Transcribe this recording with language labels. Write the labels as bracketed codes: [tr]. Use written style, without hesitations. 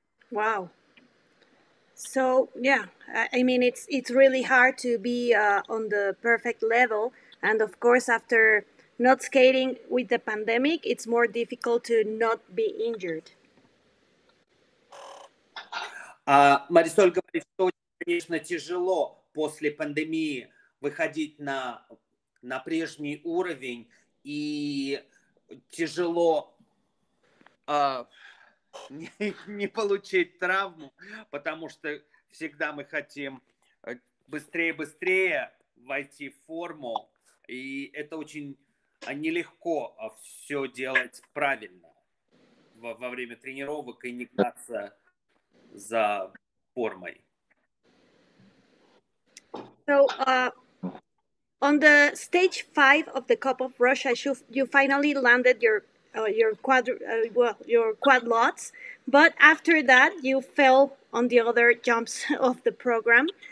[en] Wow. So, yeah, I mean, it's really hard to be on the perfect level. And of course, after not skating with the pandemic, it's more difficult to not be injured. [ru] Марисоль говорит, что, конечно, тяжело после пандемии выходить на прежний уровень, и тяжело не получить травму, потому что всегда мы хотим быстрее-быстрее войти в форму, и это очень нелегко все делать правильно во время тренировок и не гнаться за формой. [en] So, on the stage 5 of the Cup of Russia, you finally landed your quad lots, but after that you fell on the other jumps of the program.